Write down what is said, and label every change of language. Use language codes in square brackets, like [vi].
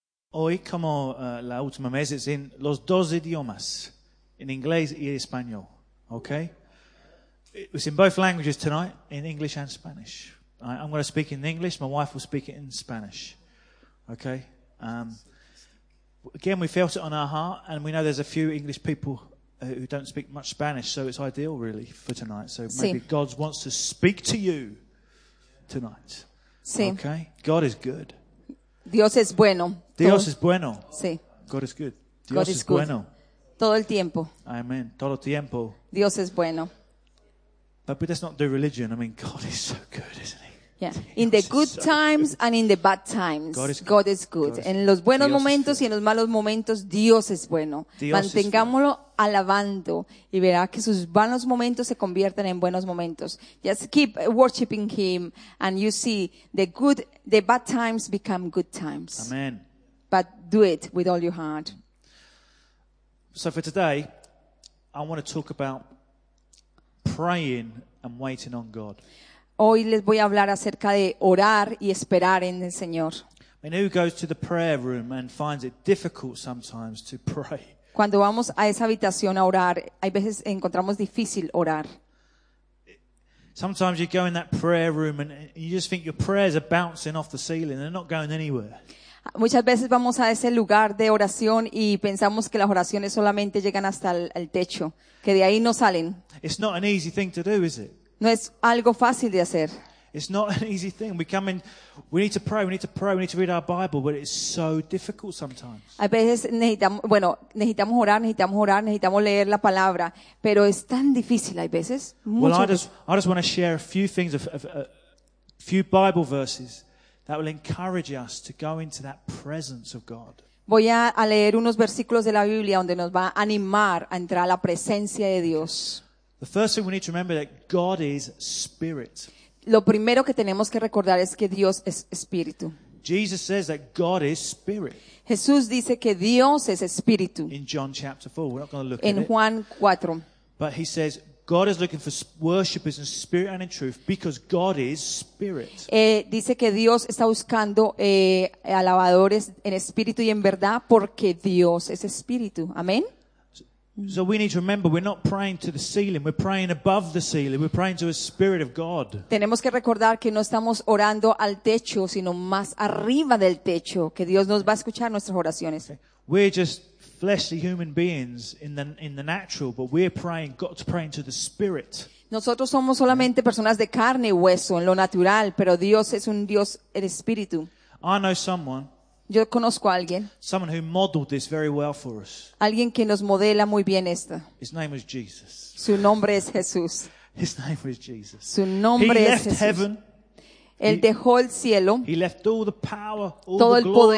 [es] Hoy, como la última vez, es en los dos idiomas, en inglés y español, okay? [en] It's in both languages tonight, in English and Spanish. I'm going to speak in English, my wife will speak it in Spanish, okay? Again, we felt it on our heart, and we know there's a few English people who don't speak much Spanish, so it's ideal, really, for tonight. So maybe God wants to speak to you tonight, okay? God is good. [es] Dios es bueno. Dios es bueno. Sí. [en] God is good. [es] Dios es bueno. Todo el tiempo. Amen. Todo tiempo. Dios es bueno. [en] But let's not do religion. I mean, God is so good, isn't he? Yeah. In the good times and in the bad times, God is good. [es] En los buenos momentos y en los malos momentos, Dios es bueno. Mantengámoslo alabando y verá que sus buenos momentos se convierten en buenos momentos. [en] Just keep worshiping him and you see the bad times become good times. Amen. But do it with all your heart. So for today, I want to talk about praying and waiting on God. [es] Hoy les voy a hablar acerca de orar y esperar en el Señor. [en] I mean, who goes to the prayer room and finds it difficult sometimes to pray? [es] Cuando vamos a esa habitación a orar, hay veces encontramos difícil orar. [en] Sometimes you go in that prayer room and you just think your prayers are bouncing off the ceiling, they're not going anywhere. [es] Muchas veces vamos a ese lugar de oración y pensamos que las oraciones solamente llegan hasta el techo, que de ahí no salen. [en] It's not an easy thing to do, is it? [es] No es algo fácil de hacer. [en] It's not an easy thing. We come in, we need to pray, we need to pray, we need to read our Bible, but it's so difficult sometimes. [es] A veces necesitamos orar, necesitamos leer la palabra, pero es tan difícil a veces. [en] Well, I just want to share a few things a few Bible verses that will encourage us to go into that presence of God. [es] Voy a leer unos versículos de la Biblia donde nos va a animar a entrar a la presencia de Dios. [en] The first thing we need to remember is that God is spirit. [es] Lo primero que tenemos que recordar es que Dios es espíritu. [en] Jesus says that God is spirit. [es] Jesús dice que Dios es espíritu. [en] In John chapter 4, we're not going to look [es] en [en] at [es] Juan [en] it. [es] En Juan 4. [en] But he says God is looking for worshipers in spirit and in truth because God is spirit. [es] Dice que Dios está buscando alabadores en espíritu y en verdad porque Dios es espíritu. Amén. [en] So we need to remember we're not praying to the ceiling, we're praying above the ceiling, we're praying to the spirit of God. [es] Tenemos que recordar que no estamos orando al techo, sino más arriba del techo, que Dios nos va a escuchar nuestras oraciones. [en] Okay. We're just fleshly human beings in the natural, but we're praying, got to pray into the spirit. [es] Nosotros somos solamente personas de carne y hueso en lo natural, pero Dios es un Dios el espíritu. [en] I know someone. [es] Yo conozco a alguien. [en] Someone who modeled this very well for us. [es] Alguien que nos modela muy bien esta. [en] His name was Jesus. [es] Su nombre es Jesús. [en] His name was Jesus. [es] Su nombre [en] he [es] es Jesús. [en] Heaven. [es] Él dejó el cielo. [en] He left all the power, all [es] todo [en] the glory,